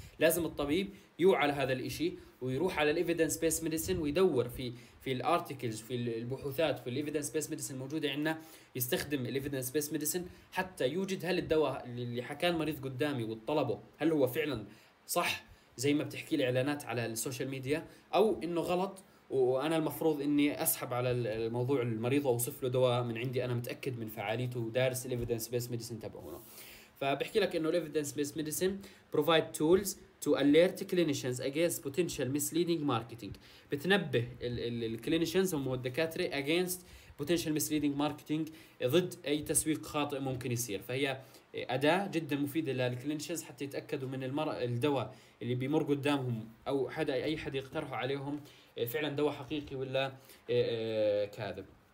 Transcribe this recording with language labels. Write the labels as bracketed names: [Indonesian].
[Arabic] لازم الطبيب يوعى على هذا الاشي ويروح على الايفيدنس بيس ميديسن ويدور في الارتكلز، في البحوثات، في الايفيدنس بيس ميديسن الموجوده عندنا، يستخدم الايفيدنس بيس ميديسن حتى يوجد هل الدواء اللي حكى المريض قدامي وطلبه هل هو فعلا صح زي ما بتحكي الإعلانات على السوشيال ميديا، أو إنه غلط وأنا المفروض إني أسحب على الموضوع المريض وأوصف له دواء من عندي أنا متأكد من فعاليته ودارس الإيفيدنس بيس ميديسن تبعونه. فبحكي لك إنه الإيفيدنس بيس ميديسن [English] provide tools to alert clinicians against potential misleading marketing. [Arabic] بتنبه الكلينيشنز هم الدكاترة [English] against potential misleading marketing، [Arabic] ضد أي تسويق خاطئ ممكن يصير. فهي أداة جدا مفيدة للكلينيشنز حتى يتأكدوا من الدواء اللي بيمر قدامهم أو حدا أي حد يقترحه عليهم فعلا دواء حقيقي ولا كاذب.